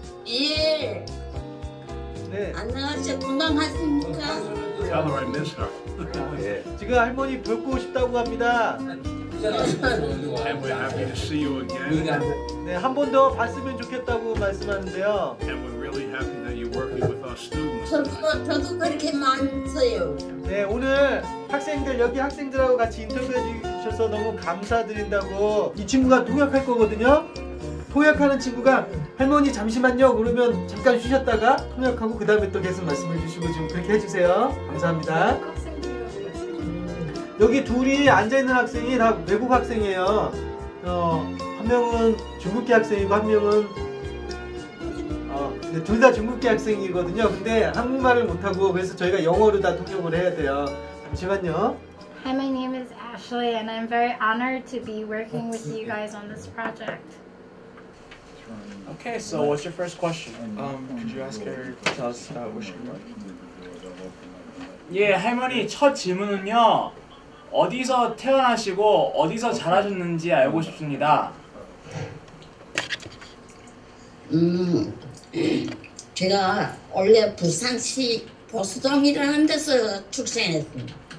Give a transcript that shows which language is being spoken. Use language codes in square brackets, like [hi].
[ko] 예. 네. 안녕하세요. 건강하십니까? [en] Tell her I miss her. [ko] 예. 지금 할머니 뵙고 싶다고 합니다. [en] And we're happy to see you again. [ko] 네, 한 번 더 봤으면 좋겠다고 말씀하는데요. [en] And we're really happy that you're working with our students. [ko] 저도 그렇게 많아요. 네, 오늘 학생들 여기 학생들하고 같이 인터뷰해 주셔서 너무 감사드린다고. 이 친구가 통역할 거거든요. 통역하는 친구가 할머니 잠시만요 그러면 잠깐 쉬셨다가 통역하고 그 다음에 또 계속 말씀해 주시고 지금 그렇게 해주세요. 감사합니다. 여기 둘이 앉아있는 학생이 다 외국 학생이에요. 한 명은 중국계 학생이고 한 명은 둘 다 중국계 학생이거든요. 근데 한국말을 못하고 그래서 저희가 영어로 다 통역을 해야 돼요. 잠시만요. [en] Hi, my name is Ashley and I'm very honored to be working with you guys on this project. Okay, so what's your first question? Could you ask her to tell us about what she wrote? [ko] 예, 할머니 첫 질문은요. 어디서 태어나시고 어디서 자라셨는지 알고 싶습니다. 제가 원래 부산시 보수동이라는 데서 출생했습니다.